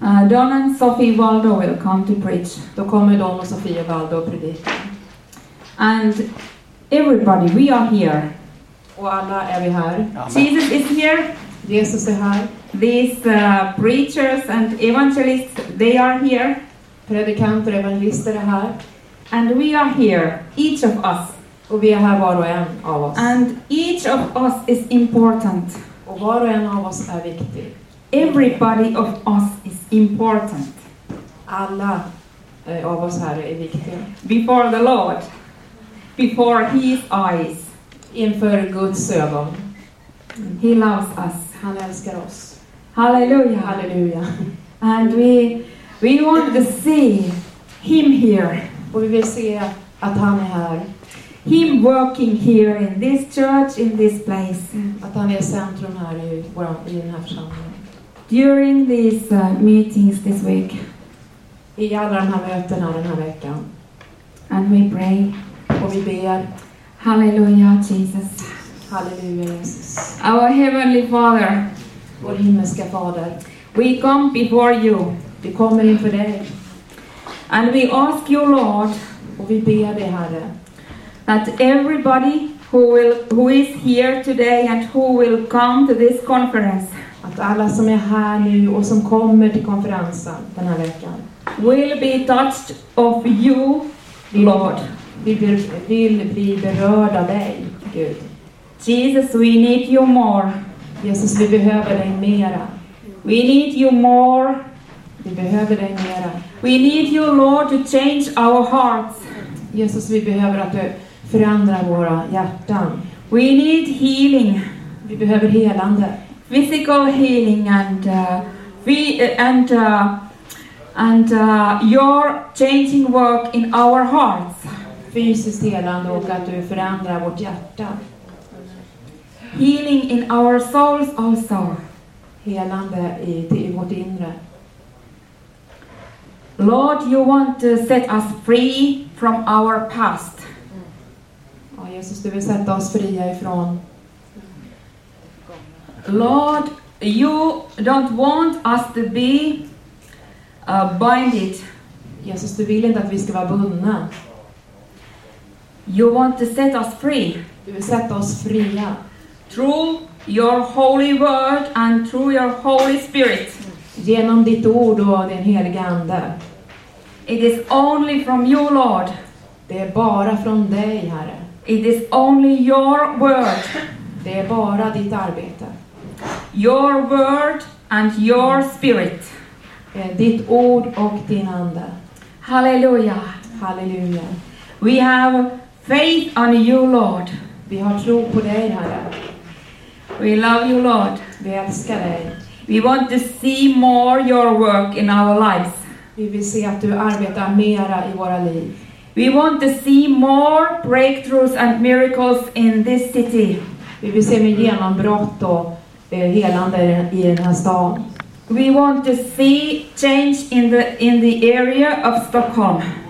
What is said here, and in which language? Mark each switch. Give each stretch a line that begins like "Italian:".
English: Don and Sophie Waldo will come to preach.
Swedish: Då kommer Don och Sofia Waldo att predika.
English: And everybody, we are here.
Swedish: Och alla är vi här.
English: Amen. Jesus is here.
Swedish: Jesus är här.
English: These preachers and evangelists, they are here.
Swedish: Predikanter och evangelister är här.
English: And we are here, each of us.
Swedish: Och vi är här var och en av oss.
English: And each of us is important.
Swedish: Och var och en av oss är viktig.
English: Everybody of us is important.
Swedish: Alla av oss här är viktiga.
English: Before the Lord. Before his eyes.
Swedish: Inför Guds ögon.
English: He loves us.
Swedish: Han älskar oss. Halleluja, halleluja.
English: And we want to see him here.
Swedish: Och vi vill se att han är här.
English: Him working here in this church, in this place.
Swedish: Att han är centrum här i den här församlingen.
English: During these meetings this week.
Swedish: I alla de här mötena den här veckan.
English: And we pray.
Swedish: Och vi ber. Halleluja, Jesus. Halleluja, Jesus.
English: Our heavenly Father.
Swedish: Vår himmelska fader.
English: We come before you.
Swedish: Vi kommer inför dig.
English: And we ask you, Lord.
Swedish: Och vi ber dig, Herre.
English: That everybody who is here today and who will come to this conference.
Swedish: Att alla som är här nu och som kommer till konferensen den här veckan.
English: Will be touched of you, Lord.
Swedish: Vill bli berörd av dig, Gud.
English: Jesus, we need you more.
Swedish: Jesus, vi behöver dig mera.
English: We need you more.
Swedish: Vi behöver dig mera.
English: We need you, Lord, to change our hearts.
Swedish: Jesus, vi behöver att du förändrar våra hjärtan.
English: We need healing.
Swedish: Vi behöver helande.
English: Physical healing and your changing work in our hearts.
Swedish: Fysiskt helande och att du förändrar vårt hjärta.
English: Healing in our souls also.
Swedish: Helande i vårt inre.
English: Lord, you want to set us free from our past.
Swedish: Ja, Jesus, du vill sätta oss fria ifrån.
English: Lord, you don't want us to be binded.
Swedish: Jesus, du vill inte att vi ska vara bundna.
English: You want to set us free.
Swedish: Du vill sätta oss fria.
English: Through your holy word and through your holy spirit.
Swedish: Genom ditt ord och din heliga ande.
English: It is only from you, Lord.
Swedish: Det är bara från dig, Herre.
English: It is only your word.
Swedish: Det är bara ditt arbete.
English: Your word and your spirit.
Swedish: Ditt ord och din ande. Halleluja. Halleluja.
English: We have faith on you, Lord.
Swedish: Vi har tro på dig, Herre.
English: We love you, Lord.
Swedish: Vi älskar dig.
English: We want to see more your work in our lives.
Swedish: Vi vill se att du arbetar mera i våra liv.
English: We want to see more breakthroughs and miracles in this city.
Swedish: Vi vill se mer genombrott och helande i den här staden.
English: We want to see change in the area of Stockholm.